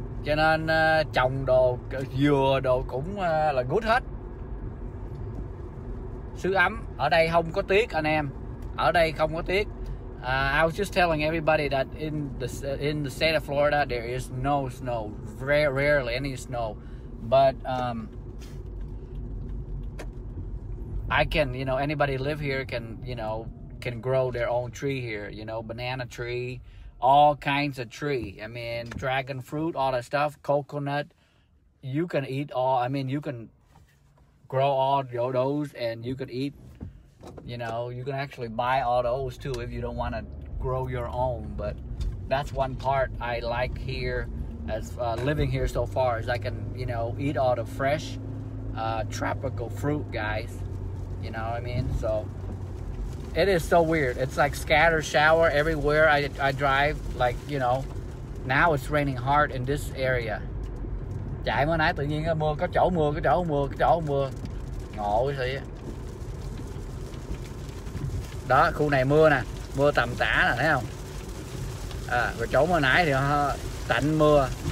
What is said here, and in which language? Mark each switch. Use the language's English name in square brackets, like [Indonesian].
[Vietnamese] Cho nên trồng đồ dừa đồ cũng là good hết. Xứ ấm, ở đây không có tiếc anh em. Ở đây không có tiếc. [English] I was just telling everybody that in the state of Florida there is no snow, rarely any snow. But I can, you know, anybody live here can, you know, can grow their own tree here, you know, banana tree, all kinds of tree. I mean, dragon fruit, all that stuff, coconut. You can eat all, I mean, you can grow all those and you can eat, you know, you can actually buy all those too if you don't want to grow your own. But that's one part I like here, as living here so far, is I can, you know, eat all the fresh tropical fruit, guys. You know what I mean? So it is so weird. It's like scattered shower everywhere I drive. Like, you know, now it's raining hard in this area. [Vietnamese] Chạy mưa nãy tự nhiên mưa, có chỗ mưa, có chỗ mưa, có chỗ mưa. Ngộ vậy. Đó, khu này mưa nè. Mưa tầm tã nè, thấy không? À, rồi chỗ mưa nãy thì tạnh mưa.